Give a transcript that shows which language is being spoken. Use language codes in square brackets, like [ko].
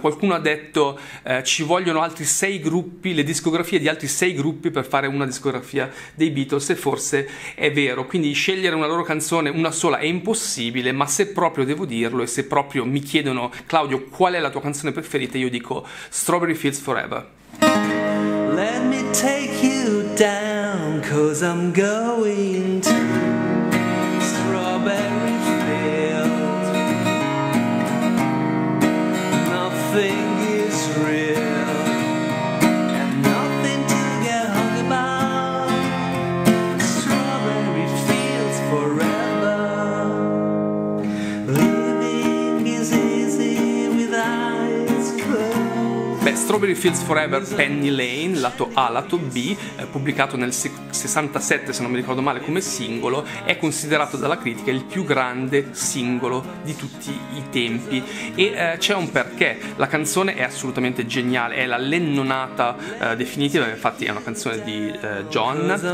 [it] Qualcuno ha detto ci vogliono altri sei gruppi, le discografie di altri sei gruppi per fare una discografia dei Beatles, e forse è vero. Quindi scegliere una loro canzone, una sola, è impossibile, ma se proprio devo dirlo e se proprio mi chiedono: Claudio, qual è la tua canzone preferita? Io dico Strawberry Fields Forever. [en] Let me take you down, 'cause I'm going to Strawberry Fields. Nothing is real and nothing to get hung about. Strawberry Fields Forever. Living is easy with eyes closed. [it] Beh, Strawberry Fields Forever, Penny Lane, lato A, lato B, pubblicato nel 67, se non mi ricordo male, come singolo, è considerato dalla critica il più grande singolo di tutti i tempi. E c'è un perché: la canzone è assolutamente geniale, è la lennonata definitiva, infatti è una canzone di John.